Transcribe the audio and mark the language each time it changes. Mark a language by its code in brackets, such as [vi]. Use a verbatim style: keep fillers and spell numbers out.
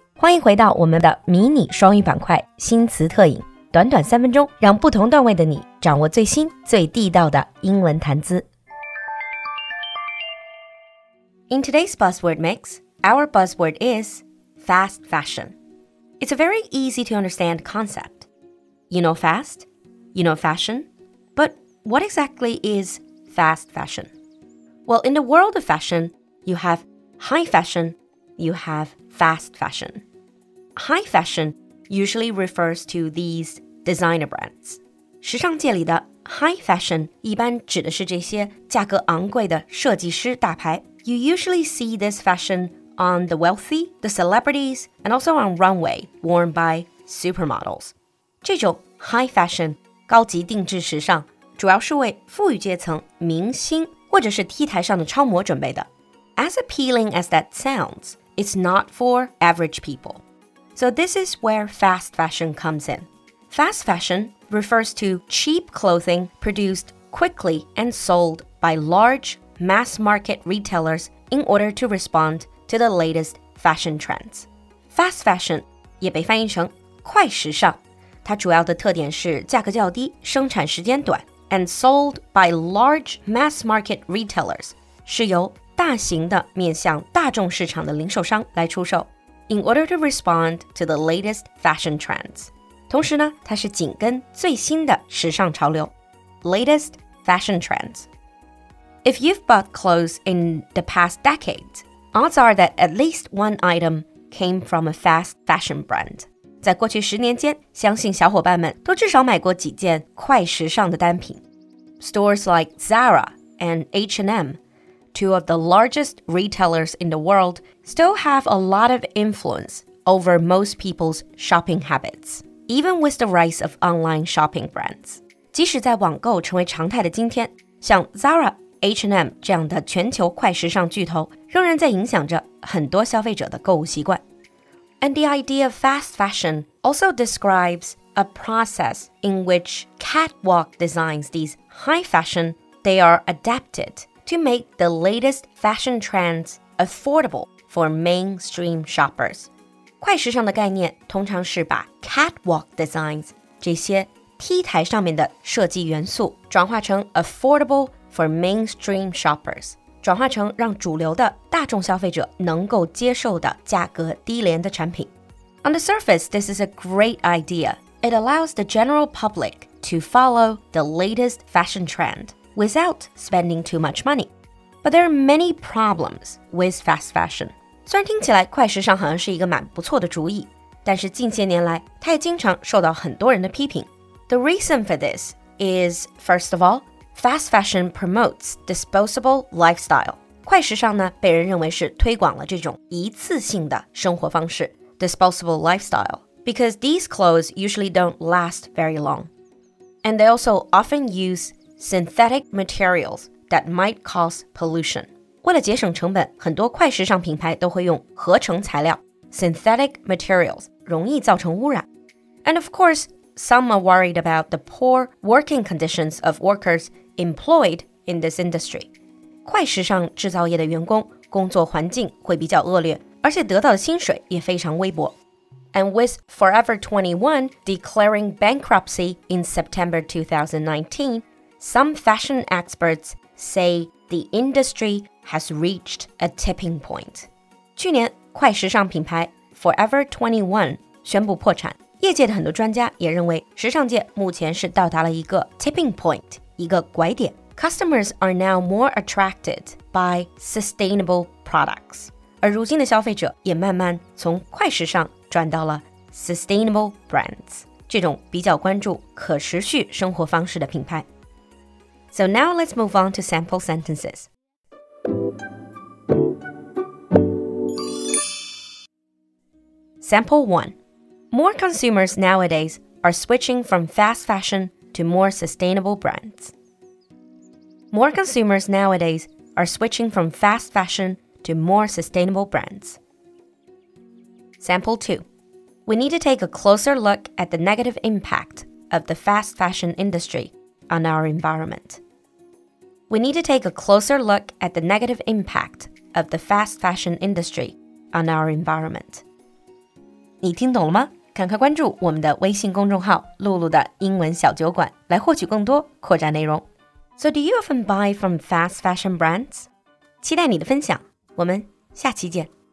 [zh] 欢迎回到我们的迷你双语板块新词特饮，短短三分钟，让不同段位的你掌握最新最地道的英文谈资。 [en] In today's Buzzword Mix, our buzzword is fast fashion. It's a very easy to understand concept. You know fast, you know fashion, but what exactly is fast fashion? Well, in the world of fashion, you have high fashion, you have fast fashion. High fashion usually refers to these designer brands. [zh] 时尚界里的 high fashion 一般指的是这些价格昂贵的设计师大牌。 [en] You usually see this fashion on the wealthy, the celebrities, and also on runway worn by supermodels. [zh] 这种 high fashion 高级定制时尚主要是为富裕阶层明星或者是 T 台上的超模准备的。 [en] As appealing as that sounds,It's not for average people. So this is where fast fashion comes in. Fast fashion refers to cheap clothing produced quickly and sold by large mass market retailers in order to respond to the latest fashion trends. [zh] Fast fashion 也被翻译成快时尚，它主要的特点是价格较低，生产时间短 [en] and sold by large mass market retailers [zh] 是由大型的面向大众市场的零售商来出售 [en] in order to respond to the latest fashion trends. [zh] 同时呢，它是紧跟最新的时尚潮流 [en] latest fashion trends. If you've bought clothes in the past decades, odds are that at least one item came from a fast fashion brand. [zh] 在过去十年间，相信小伙伴们都至少买过几件快时尚的单品。 [en] Stores like Zara and H and M,two of the largest retailers in the world, still have a lot of influence over most people's shopping habits, even with the rise of online shopping brands. [zh] 即使在网购成为常态的今天，像 Zara、H and M 这样的全球快时尚巨头仍然在影响着很多消费者的购物习惯。 [en] And the idea of fast fashion also describes a process in which catwalk designs these high fashion, they are adapted. to make the latest fashion trends affordable for mainstream shoppers. [zh] 快时尚的概念通常是把 catwalk designs 这些 T 台上面的设计元素转化成 [en] affordable for mainstream shoppers, [zh] 转化成让主流的大众消费者能够接受的价格低廉的产品。 [en] On the surface, this is a great idea. It allows the general public to follow the latest fashion trend. Without spending too much money. But there are many problems with fast fashion. [zh] 虽然听起来快时尚好像是一个蛮不错的主意，但是近些年来它也经常受到很多人的批评。 [en] The reason for this is, first of all, fast fashion promotes disposable lifestyle. [zh] 快时尚呢，被人认为是推广了这种一次性的生活方式 [en] disposable lifestyle, because these clothes usually don't last very long. And they also often use synthetic materials that might cause pollution. [zh] 为了节省成本，很多快时尚品牌都会用合成材料 synthetic materials, 容易造成污染。 [en] And of course, some are worried about the poor working conditions of workers employed in this industry. [zh] 快时尚制造业的员工工作环境会比较恶劣，而且得到的薪水也非常微薄。 [en] And with Forever twenty-one declaring bankruptcy in September twenty nineteen,Some fashion experts say the industry has reached a tipping point. [zh] 去年快时尚品牌 Forever twenty-one 宣布破产，业界的很多专家也认为时尚界目前是到达了一个 tipping point, 一个拐点。 [en] Customers are now more attracted by sustainable products. [zh] 而如今的消费者也慢慢从快时尚转到了 sustainable brands, 这种比较关注可持续生活方式的品牌。 [en] So now let's move on to sample sentences. Sample one. More consumers nowadays are switching from fast fashion to more sustainable brands. More consumers nowadays are switching from fast fashion to more sustainable brands. Sample two. We need to take a closer look at the negative impact of the fast fashion industry on our environment. we need to take a closer look at the negative impact of the fast fashion industry on our environment. [zh] 你听懂了吗？赶快关注我们的微信公众号露露的英文小酒馆来获取更多扩展内容。 [en] So do you often buy from fast fashion brands? [zh] 期待你的分享，我们下期见。